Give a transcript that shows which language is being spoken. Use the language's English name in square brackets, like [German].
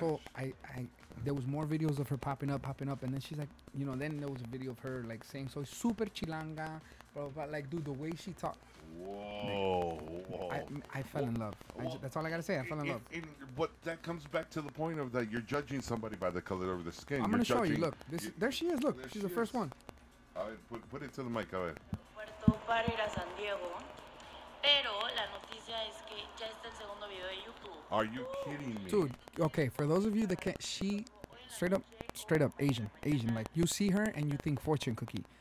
[English] So I there was more videos of her popping up, and then she's like, you know, then there was a video of her like saying, [Spanish] "Soy super chilanga," [English] but like, dude, the way she talked. Whoa! I fell in love. That's all I gotta say. I fell in love. But that comes back to the point of that you're judging somebody by the color of their skin. I'm gonna show you. Look, there she is. Look, she's the first one. Put it to the mic, [Spanish] a ver. Puerto para ir a San Diego, pero la noticia es que ya está el segundo video de YouTube. [English] Are you kidding me? Dude, okay, for those of you that can't, she straight up Asian. Like, you see her and you think fortune cookie.